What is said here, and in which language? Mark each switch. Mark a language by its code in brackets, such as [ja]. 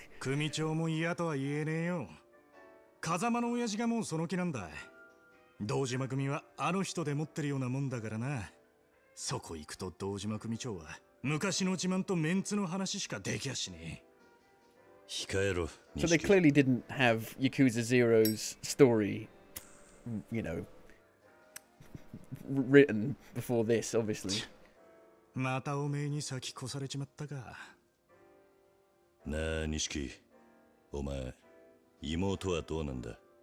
[ja] 組長も嫌とは言えねえよ。風間の親父がもうその気なんだ。堂島組はあの人で持ってるようなもんだからな。そこ行くと堂島組長は。昔の自慢とメンツの話しかできやしねえ。控えろ。 [en] So they clearly didn't have Yakuza Zero's story, you know, written before this, obviously. [ja] またおめえに先越されちまったか。なあ錦、お前妹はどうなんだ。